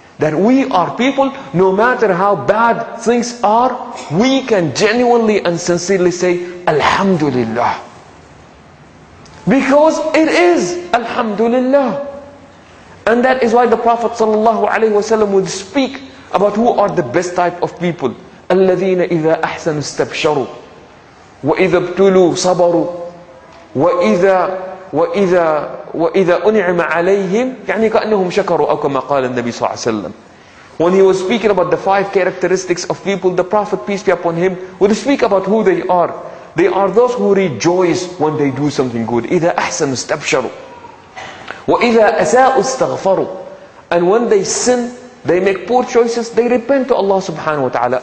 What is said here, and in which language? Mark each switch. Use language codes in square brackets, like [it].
[en] That we are people, no matter how bad things are, we can genuinely and sincerely say, alhamdulillah. Because it is, alhamdulillah. And that is why the Prophet sallallahu alaihi wasallam would speak about who are the best type of people. [ar] الَّذِينَ إِذَا أَحْسَنُوا اسْتَبْشَرُوا وَإِذَا ابْتُلُوا صَبَرُوا وَإِذَا أُنِعِمَ عَلَيْهِمْ يعني كأنهم شكروا أو كما قال النبي صلى الله عليه وسلم. [en] When he was speaking about the five characteristics of people, the Prophet, peace be upon him, would speak about who they are. They are those who rejoice when they do something good. [ar] إِذَا أَحْسَنُوا اسْتَبْشَرُوا وَإِذَا أَسَاءُوا اسْتَغْفَرُوا. [en] And when they sin, they make poor choices, they repent to Allah subhanahu wa ta'ala.